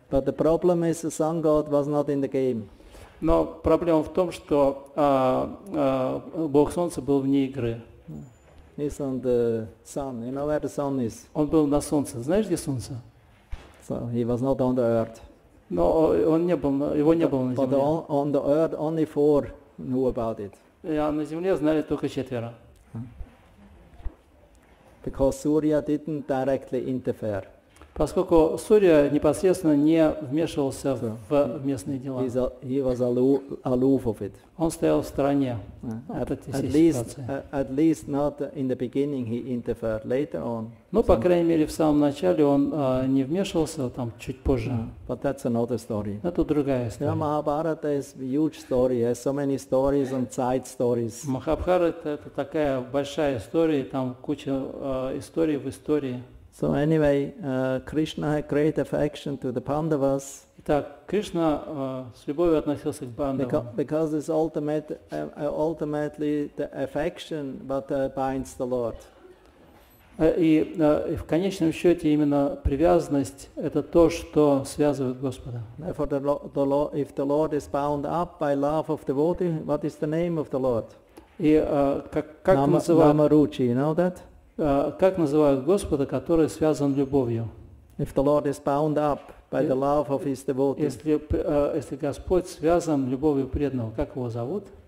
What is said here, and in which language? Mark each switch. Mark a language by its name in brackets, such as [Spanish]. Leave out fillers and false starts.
[English] But the problem is the sun god was not in the game. [Russian] Но проблема в том, что Бог Солнца был вне игры. [English] He's on the sun. You know where the sun is? [Russian] Он был на Солнце. Знаешь, где Солнце? [English] So he was not on the earth. [Russian] Но он не был, его не было на Земле. [English] But on the earth only four knew about it. [Russian] А на Земле знали только четверо. [English] Because Surya didn't directly interfere. [Russian] Поскольку Сурья непосредственно не вмешивался в местные дела. [English] He was aloof of it. [Russian] Он стоял в стороне от этой ситуации. [English] At least not in the beginning he interfered. Later on. [Russian] Ну, по крайней мере, в самом начале он не вмешивался, там чуть позже. [English] But that's another story. [Russian] Это другая история. [English] Махабхарата is a huge story. It has so many stories and side stories. [Russian] Махабхарата – это такая большая история, там куча историй в истории. [English] So anyway, Krishna had great affection to the Pandavas. [Russian] Итак, Кришна с любовью относился к Пандавам. [English] Because it's ultimately the affection that binds the Lord. [Russian] И в конечном счете именно привязанность это то, что связывает Господа. [English] Therefore, if the Lord is bound up by love of devotee, what is the name of the Lord? [Russian] И как называют? [English] Намаручи, you know that? [Russian] Как называют Господа, который связан любовью? [English] If the Lord is bound up by the love of his devotee. [Russian] Если Господь связан любовью преданного, как его зовут?